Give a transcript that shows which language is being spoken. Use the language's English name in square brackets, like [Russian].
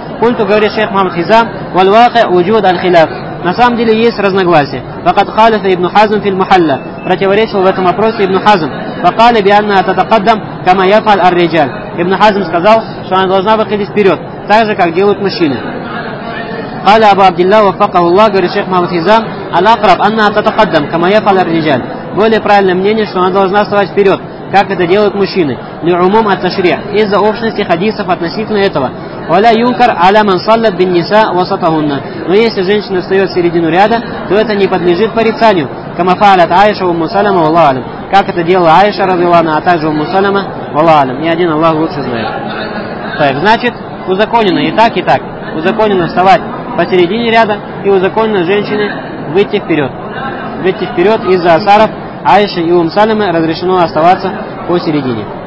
[Arabic] Культу [Russian] говорит шейх Мухаммад Хизам, [Arabic] «Вальвахе уджуд аль-хиляф». [Russian] На самом деле есть разногласия. [Arabic] «Вакат халифа ибн Хазм фил Мухалла». [Russian] Противоречил в этом вопросе ибн Хазм. [Arabic] «Вакали би анна татакаддам кама яфал ар-риджаль». [Russian] Ибн Хазм сказал, что она должна выходить вперед, так же, как делают мужчины. [Arabic] قال أبو عبد الله وفقه الله قال الشيخ محمد حزام الأقرب أنها تتقدم كما يفعل الرجال. [Russian] Более правильное мнение, что она должна вставать вперед, как это делают мужчины. [Arabic] لعموم التشريع. [Russian] Из-за общности хадисов относительно этого. [Arabic] ولا ينكر على من صلت بالنساء وسطهن. [Russian] Но если женщина встает в середину ряда, то это не подлежит порицанию. [Arabic] كما فعلت عائشة وأم سلمة والله أعلم. [Russian] Как это делала Аиша [Arabic] رضي الله عنها, [Russian] а также [Arabic] أم سلمة والله أعلم. [Russian] Ни один Аллах лучше знает. Так, значит, узаконено и так, и так. Узаконено вставать посередине ряда, и узаконено женщине выйти вперед. Выйти вперед из-за асаров Аиши и Ум Салимы разрешено оставаться посередине.